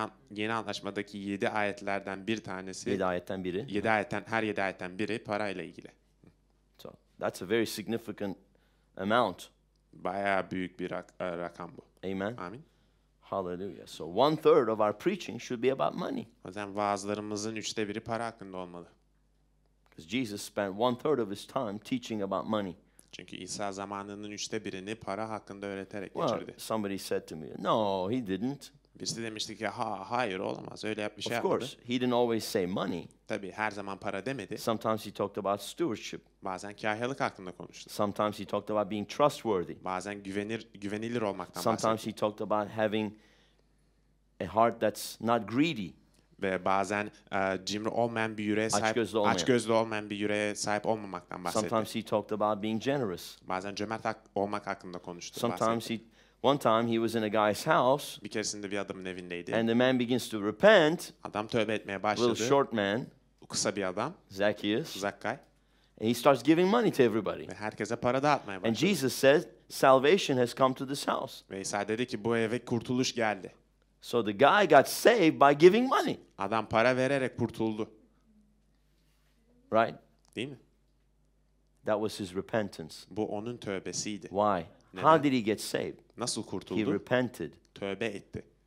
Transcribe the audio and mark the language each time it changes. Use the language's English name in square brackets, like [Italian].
[Turkish] Yeni anlaşmadaki 7 ayetlerden bir tanesi. 7 ayetten biri. 7 ayetten her 7 ayetten biri parayla ilgili. [English] So that's a very significant amount. [Turkish] Bayağı büyük bir rakam bu. [English] Amen. Amen. Hallelujah. So one third of our preaching should be about money. [Turkish] O zaman vaazlarımızın üçte biri para hakkında olmalı. [English] Because Jesus spent one third of his time teaching about money. [Turkish] Çünkü İsa zamanının üçte birini para hakkında öğreterek geçirdi. [English] Well, somebody said to me, no, he didn't. [Turkish] Birisi demişti ki, ha, hayır olamaz, öyle yapmış. [English] Of course, [Turkish] yapmadı. [English] He didn't always say money. [Turkish] Tabii, her zaman para demedi. [English] Sometimes he talked about stewardship. [Turkish] Bazen kahyalık hakkında konuştu. [English] Sometimes he talked about being trustworthy. [Turkish] Bazen güvenilir olmaktan [English] sometimes [Turkish] bahsetti. [English] Sometimes he talked about having a heart that's not greedy. [Turkish] Ve bazen cimri olmayan bir yüreğe sahip, açgözlü olmayan bir yüreğe sahip olmamaktan bahsetti. [English] Sometimes he talked about being generous. [Turkish] Bazen cömert olmak hakkında konuştu. [English] Sometimes he, one time he was in a guy's house. [Turkish] Bir keresinde bir adamın evindeydi. [English] And the man begins to repent. [Turkish] Adam tövbe etmeye başladı. [English] Little short man. [Turkish] Kısa bir adam. [English] Zacchaeus. [Turkish] Zakkay. [English] And he starts giving money to everybody. [Turkish] Ve herkese para dağıtmaya başladı. [English] And Jesus said, salvation has come to this house. [Turkish] Ve İsa dedi ki bu eve kurtuluş geldi. [English] So the guy got saved by giving money. [Turkish] Adam para vererek kurtuldu. [English] Right? [Turkish] Değil mi? [English] That was his repentance. [Turkish] Bu onun tövbesiydi. [English] Why? [Turkish] Neden? [English] How did he get saved? [Turkish] Nasıl kurtuldu? [English] He repented. [Turkish] Tövbe etti.